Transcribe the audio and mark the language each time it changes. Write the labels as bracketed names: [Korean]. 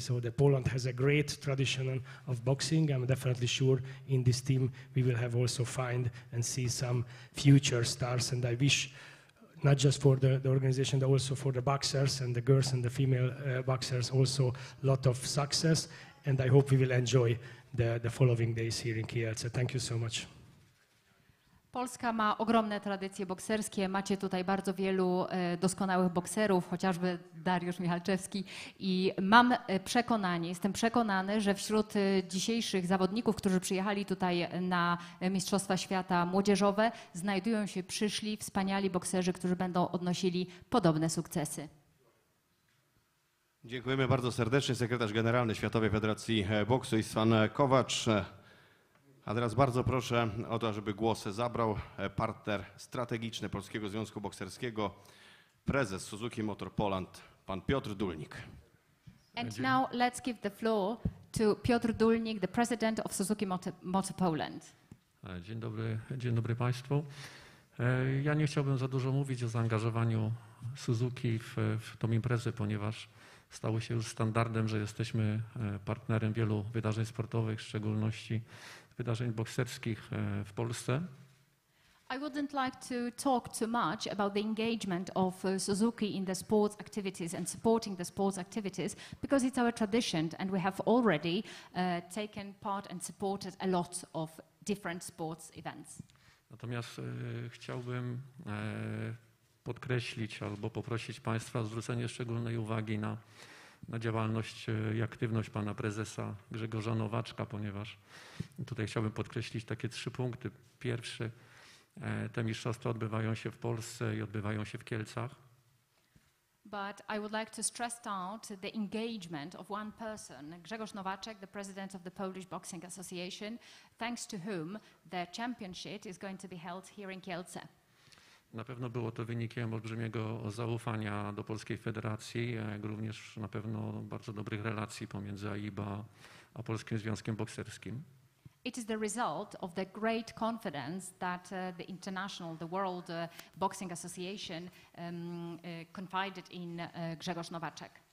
[English] So the Poland has a great tradition of boxing. I'm definitely sure in this team we will have also find and see some future stars, and I wish not just for the organization, but also for the boxers and the girls and the female boxers also a lot of success, and I hope we will enjoy the following days here in Kiel. So thank you so much. [Polish] Polska ma ogromne tradycje bokserskie. Macie tutaj bardzo wielu doskonałych bokserów, chociażby Dariusz Michalczewski. I mam przekonanie, jestem przekonany, że wśród dzisiejszych zawodników, którzy przyjechali tutaj na Mistrzostwa Świata Młodzieżowe, znajdują się przyszli, wspaniali bokserzy, którzy będą odnosili podobne sukcesy. Dziękujemy bardzo serdecznie. Sekretarz Generalny Światowej Federacji Boksu Istvan Kovács. A teraz bardzo proszę o to, żeby głos zabrał partner strategiczny Polskiego Związku Bokserskiego, prezes Suzuki Motor Poland, pan Piotr Dulnik. [English] And now let's give the floor to Piotr Dulnik, the president of Suzuki Motor Poland. [Polish] Dzień dobry państwu. Ja nie chciałbym za dużo mówić o zaangażowaniu Suzuki w tą imprezę, ponieważ stało się już standardem, że jesteśmy partnerem wielu wydarzeń sportowych, w szczególności wydarzeń bokserskich w Polsce. [English] I wouldn't like to talk too much about the engagement of Suzuki in the sports activities and supporting the sports activities, because it's our tradition and we have already taken part and supported a lot of different sports events. [Polish] Natomiast chciałbym podkreślić albo poprosić państwa o zwrócenie szczególnej uwagi na działalność i aktywność pana prezesa Grzegorza Nowaczka, ponieważ tutaj chciałbym podkreślić takie trzy punkty. Pierwszy, te mistrzostwa odbywają się w Polsce i odbywają się w Kielcach. [English] But I would like to stress out the engagement of one person, Grzegorz Nowaczek, the president of the Polish Boxing Association, thanks to whom the championship is going to be held here in Kielce. [Polish] Na pewno było to wynikiem olbrzymiego zaufania do Polskiej Federacji, jak również na pewno bardzo dobrych relacji pomiędzy AIBA a Polskim Związkiem Bokserskim. [English] It is the result of the great confidence that the international, the World Boxing Association confided in Grzegorz Nowaczek.